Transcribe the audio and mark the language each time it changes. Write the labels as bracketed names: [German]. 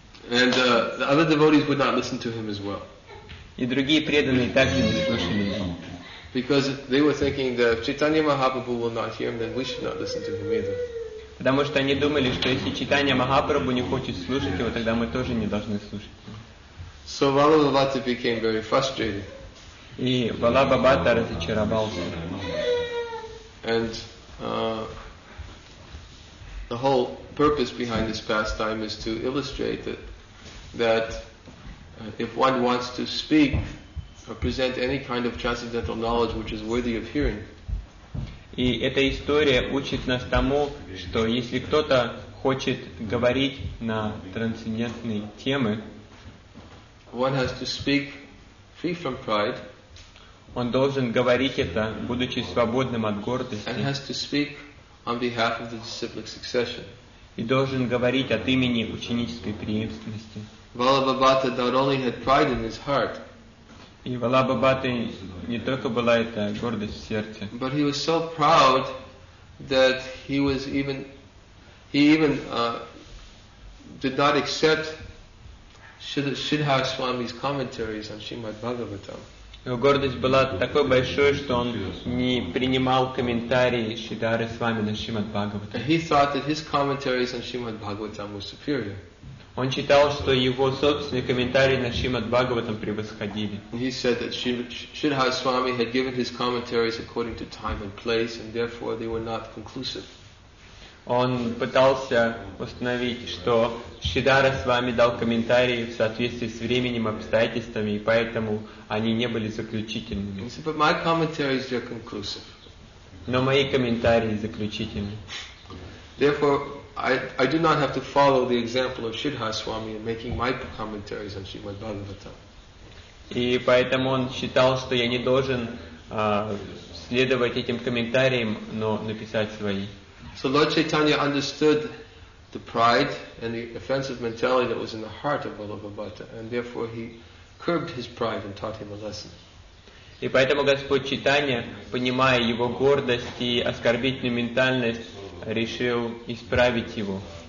[English] And the other devotees would not listen to him as well. [Russian] И другие преданные также не слушали его. [English] Because they were thinking that if Chaitanya Mahaprabhu will not hear him, then we should not listen to him either. [Russian] Потому что они думали, что если Чайтанья Махапрабху не хочет слушать его, тогда мы тоже не должны слушать его. [English] So Vallabhabhata became very frustrated. [Russian] И Валлабхабхата разочаровался. [English] And the whole purpose behind this pastime is to illustrate that if one wants to speak or present any kind of transcendental knowledge which is worthy of hearing. [Russian] И эта история учит нас тому, что если кто-то хочет говорить на трансцендентные темы, [English] one has to speak free from pride. [Russian] Он должен говорить это, будучи свободным от гордости. [English] And has to speak on behalf of the disciplic succession. [Russian] И должен говорить от имени ученической преемственности. [English] Vallabhabhata not only had pride in his heart, [Russian] и Валлабхабхата не только была эта гордость в сердце. [English] But he was so proud that he did not accept Śrīdhara Swami's commentaries on Śrīmad Bhāgavatam. [Russian] Его гордость была такой большой, что он не принимал комментарии Śrīdhara Swami на Śrīmad Bhāgavatam. [English] He thought that his commentaries on Śrīmad Bhāgavatam were superior. [Russian] Он читал, что его собственные комментарии на Шримад Бхагаватам превосходили. [English] He said that Śrīdhara Swami had given his commentaries according to time and place, and therefore they were not conclusive. [Russian] Он пытался установить, что Śrīdhara Swami дал комментарии в соответствии с временем, обстоятельствами, и поэтому они не были заключительными. [English] He said, but my commentaries are conclusive. [Russian] Но мои комментарии заключительны. [English] Therefore, I do not have to follow the example of Śrīdhara Swami in making my commentaries on Śrīmad Bhāgavatam. [Russian] И поэтому он считал, что я не должен следовать этим комментариям, но написать свои. [English] So Lord Chaitanya understood the pride and the offensive mentality that was in the heart of Vallabhabhata, and therefore he curbed his pride and taught him a lesson. [Russian] И поэтому Господь Чайтанья, понимая его гордость и оскорбительную ментальность, решил исправить его.